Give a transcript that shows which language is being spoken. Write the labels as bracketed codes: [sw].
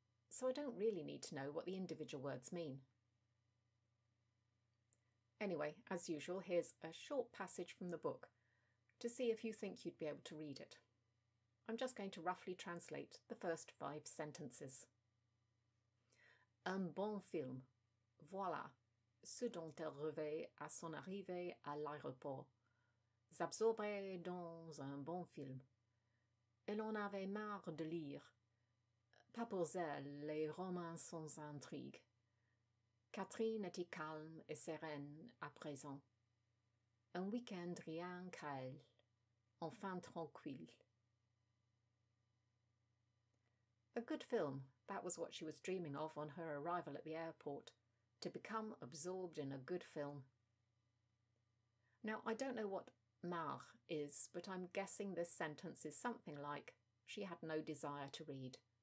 [en] So I don't really need to know what the individual words mean. Anyway, as usual, here's a short passage from the book to see if you think you'd be able to read it. I'm just going to roughly translate the first five sentences. [fr] Un bon film, voilà ce dont elle rêvait à son arrivée à l'aéroport. S'absorber dans un bon film. Elle en avait marre de lire. Pas pour elle, les romans sans intrigue. Catherine était calme et sereine à présent. Un week-end rien qu'à elle. Enfin tranquille. [en] A good film, that was what she was dreaming of on her arrival at the airport. To become absorbed in a good film. Now, I don't know what marre is, but I'm guessing this sentence is something like, she had no desire to read.